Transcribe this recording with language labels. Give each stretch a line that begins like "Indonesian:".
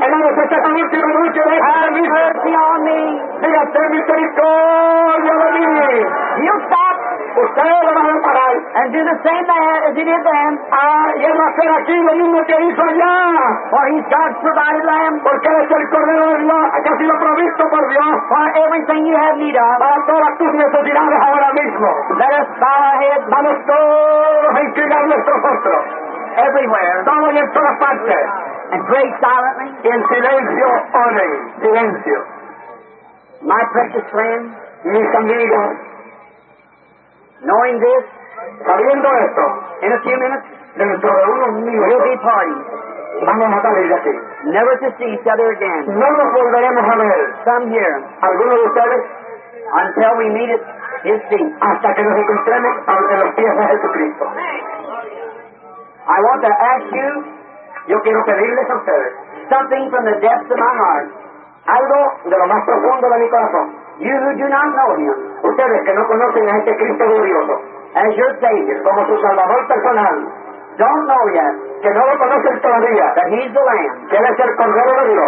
Spanish: El año se está con mucho y mucho.
English: Have mercy on me.
Spanish: Diga, ten misericordia de mí.
English: You stop.
Spanish: Ustedes lo van a parar.
English: And do the same thing as he did then.
Spanish: Y él va a hacer aquí lo mismo que hizo allá.
English: For he's God's provided lamb.
Spanish: Porque él es el cordero de Dios que ha sido provisto por Dios.
English: For everything you have need of.
Spanish: Para todas tus necesidades ahora mismo.
English: Let us bow our heads.
Spanish: Vamos todos a inclinar nuestro rostro.
English: Everywhere.
Spanish: Todo y en todas partes.
English: And pray silently.
Spanish: Y en silencio oren. Silencio.
English: My precious friend.
Spanish: Mis amigos.
English: Knowing this,
Spanish: sabiendo esto,
English: in a few minutes,
Spanish: dentro de unos minutos,
English: we'll be parting.
Spanish: Vamos a salir de aquí.
English: Never to see each other again.
Spanish: No nos volveremos a ver.
English: Some here.
Spanish: Algunos de ustedes.
English: Until we meet at His feet.
Spanish: Hasta que nos encontremos ante los pies de Jesucristo.
English: I want to ask you.
Spanish: Yo quiero pedirles a ustedes.
English: Something from the depths of my heart.
Spanish: Algo de lo más profundo de mi corazón.
English: You who do not know Him.
Spanish: Ustedes que no conocen a este Cristo glorioso.
English: As your Savior.
Spanish: Como su Salvador personal.
English: Don't know yet.
Spanish: Que no lo conocen todavía.
English: That He's the Lamb.
Spanish: Que Él es el Cordero de Dios.